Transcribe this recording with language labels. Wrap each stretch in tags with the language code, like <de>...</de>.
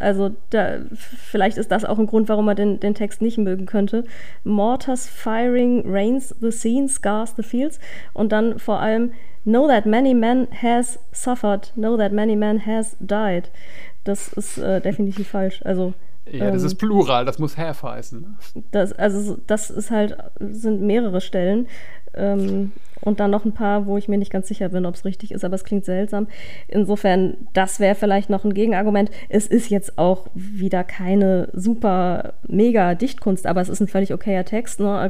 <de>Also da, vielleicht ist das auch ein Grund, warum man den Text nicht mögen könnte.</de> <en>Mortars firing, rains the scene, scars the fields.</en> <de>Und dann vor allem,</de> <en>know that many men has suffered, know that many men has died.</en> <de>Das ist definitiv falsch. Also Ja, das ist Plural, das muss have heißen. Das sind mehrere Stellen. Und dann noch ein paar, wo ich mir nicht ganz sicher bin, ob es richtig ist, aber es klingt seltsam. Insofern, das wäre vielleicht noch ein Gegenargument. Es ist jetzt auch wieder keine super mega Dichtkunst, aber es ist ein völlig okayer Text, ne?</de>